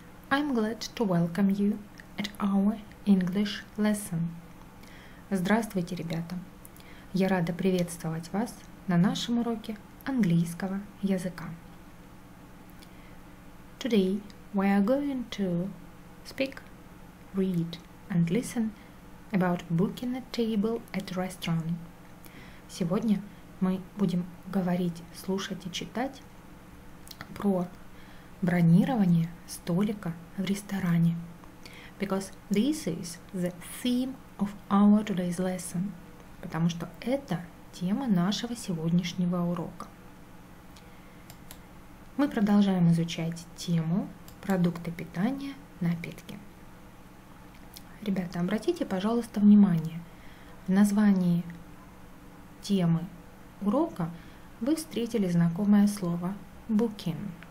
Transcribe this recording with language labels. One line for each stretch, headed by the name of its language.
English: I'm glad to welcome you at our English lesson.
Russian: Здравствуйте, ребята. Я рада приветствовать вас на нашем уроке английского языка.
English: Today we are going to speak, read and listen about booking a table at a restaurant.
Russian: Сегодня мы будем говорить, слушать и читать про бронирование столика в ресторане.
English: Because this is the theme of our today's lesson.
Russian: Потому что это тема нашего сегодняшнего урока. Мы продолжаем изучать тему продукты питания, напитки. Ребята, обратите, пожалуйста, внимание. В названии темы урока вы встретили знакомое слово booking.